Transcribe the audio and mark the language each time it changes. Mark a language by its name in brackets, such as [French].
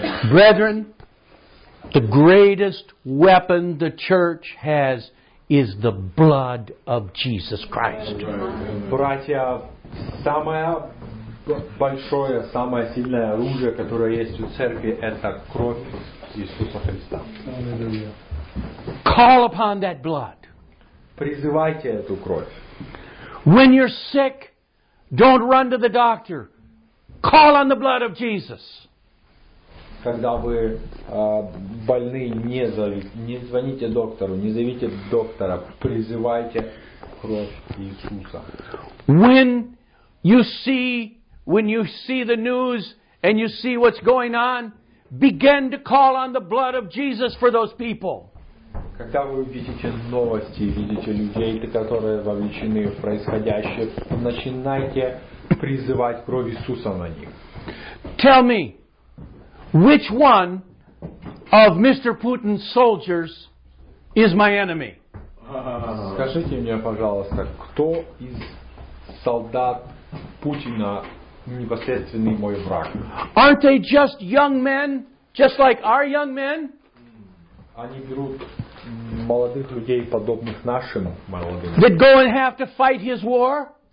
[English] Brethren, the greatest weapon the church has is the blood of Jesus Christ. [Russian] Братья, самое большое, самое сильное оружие, которое есть у церкви, это кровь Иисуса Христа. [English] Call upon that blood. [Russian] Призывайте эту кровь. [English] When you're sick, don't run to the doctor. Call on the blood of Jesus. [Russian] Когда вы больны, не звоните доктору, не зовите доктора, призывайте кровь Иисуса. [English] When you see the news and you see what's going on, begin to call on the blood of Jesus for those people. [Russian] Когда вы видите новости, видите людей, которые вовлечены в происходящее, начинайте призывать кровь Иисуса на них. [English] Tell me, which one of Mr. Putin's soldiers is my enemy? [Russian] Скажите мне, пожалуйста, кто из солдат Путина непосредственный мой враг? [English] Aren't they just young men, just like our young men? [Russian] Они берут молодых людей, подобных нашим молодым. [English] That go and have to fight his war?